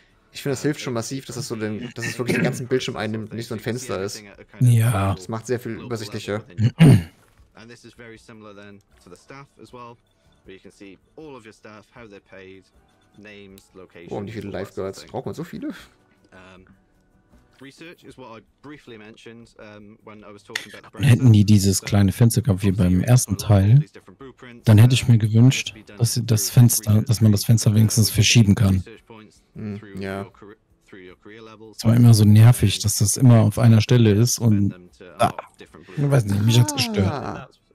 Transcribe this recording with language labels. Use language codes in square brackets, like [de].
[de] Ich finde, das hilft schon massiv, dass es so den, dass es wirklich den ganzen Bildschirm einnimmt und nicht so ein Fenster ist. Ja. Das macht sehr viel übersichtlicher. [en] And this is very similar then to the staff as well, where you can see all of your staff, how they're paid, names, locations. [de] Oh, und wie viele Lifeguards? Braucht man so viele? [en] Research is what I briefly mentioned when I was talking about. [de] Dann hätten die dieses kleine Fenster gehabt wie beim ersten Teil. Dann hätte ich mir gewünscht, dass sie das Fenster, dass man das Fenster wenigstens verschieben kann. Ja. Es war immer so nervig, dass das immer auf einer Stelle ist und ich weiß nicht, mich hat's gestört.